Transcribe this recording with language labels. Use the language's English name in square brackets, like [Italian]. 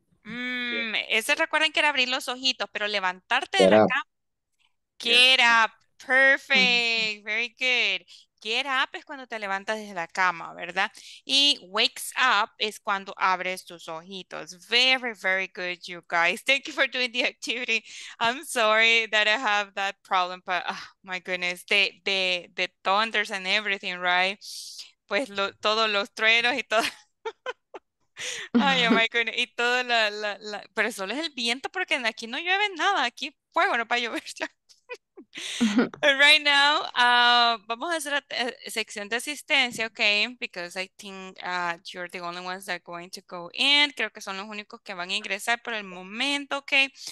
[Spanish] Ese recuerden que era abrir los ojitos, pero levantarte de la [English] Get [Spanish] cama. [English] up. Get up. Get Perfect. Very good. [Spanish] Get up es cuando te levantas desde la cama, ¿verdad? Y wakes up es cuando abres tus ojitos. [English] Very, very good, you guys. Thank you for doing the activity. I'm sorry that I have that problem, but oh, my goodness, the thunders and everything, right? [Spanish] Pues todos los truenos y todo. Ay, [English] oh my goodness. [Spanish] Y todo la. Pero solo es el viento porque aquí no llueve nada. Aquí fuego no va a llover ya. [English] Right now, [Spanish] vamos a hacer la sección de asistencia, okay? [English] Because I think you're the only ones that are going to go in. [Spanish] Creo que son los únicos que van a ingresar por el momento, okay?